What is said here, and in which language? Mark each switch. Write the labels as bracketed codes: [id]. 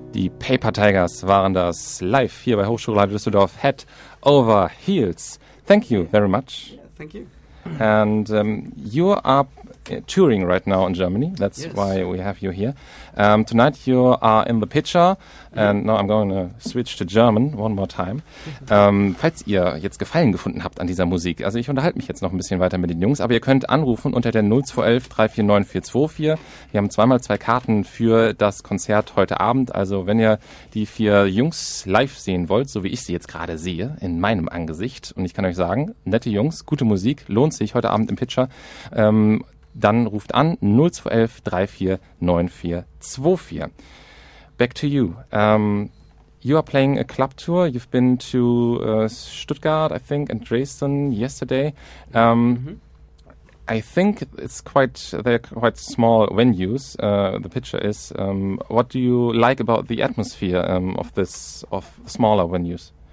[de] Die Paper Tigers waren das live hier bei Hochschulradio Düsseldorf, Head Over Heels. [en] Thank you very much. Yeah, thank you. And you are touring right now in Germany. That's why we have you here. Tonight you are in the picture. And now I'm going to switch to German one more time. [de] Falls ihr jetzt Gefallen gefunden habt an dieser Musik, also ich unterhalte mich jetzt noch ein bisschen weiter mit den Jungs, aber ihr könnt anrufen unter der 0211 349 424. Wir haben zweimal zwei Karten für das Konzert heute Abend. Also wenn ihr die vier Jungs live sehen wollt, so wie ich sie jetzt gerade sehe, in meinem Angesicht, und ich kann euch sagen, nette Jungs, gute Musik, lohnt sich heute Abend im Pitcher, dann ruft an 0211 349 424. [en] Back to you. You are playing a club tour. You've been to Stuttgart, I think, and Dresden yesterday. I think it's quite, they're quite small venues, the picture is. What do you like about the atmosphere of this, of smaller venues?